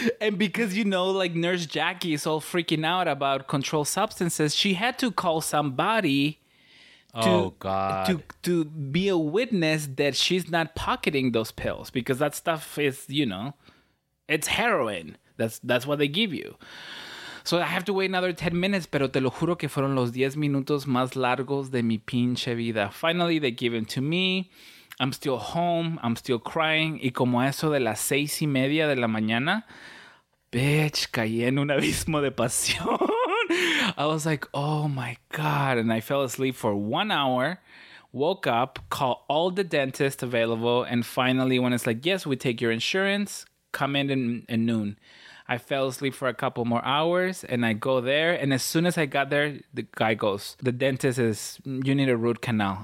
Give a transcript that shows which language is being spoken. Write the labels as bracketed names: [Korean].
[English] And because, you know, like, Nurse Jackie is all freaking out about controlled substances, she had to call somebody to be a witness that she's not pocketing those pills. Because that stuff is, you know, it's heroin. That's what they give you. So I have to wait another 10 minutes, [Spanish] pero te lo juro que fueron los 10 minutos más largos de mi pinche vida. [English] Finally, they give it to me. I'm still home. I'm still crying. [Spanish] Y como eso de las 6:30 de la mañana, bitch, caí en un abismo de pasión. [English] I was like, oh my God. And I fell asleep for 1 hour, woke up, called all the dentists available. And finally, when it's like, yes, we take your insurance, come in at noon. I fell asleep for a couple more hours and I go there. And as soon as I got there, the guy goes, the dentist is, you need a root canal.